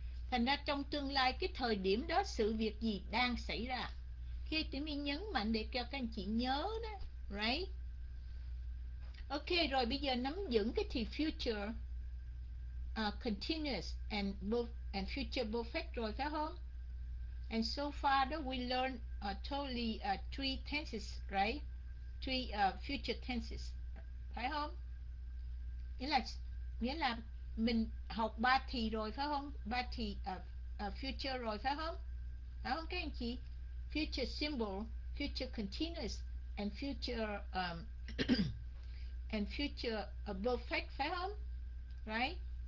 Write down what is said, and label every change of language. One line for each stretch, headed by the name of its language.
Vietnamese: Thành ra trong tương lai cái thời điểm đó sự việc gì đang xảy ra, khi tụi mình nhấn mạnh để cho các anh chị nhớ đó, right? Ok, rồi bây giờ nắm vững cái thì future continuous and future perfect rồi, phải không?
English: And so far that we learn totally three tenses, right?
Vietnamese: Three future tenses, phải không? Nghĩa là mình học ba thì rồi, phải không? Ba thì future rồi, phải không? Phải không các anh chị? Future symbol, future continuous, and future and future perfect, phải không? Right?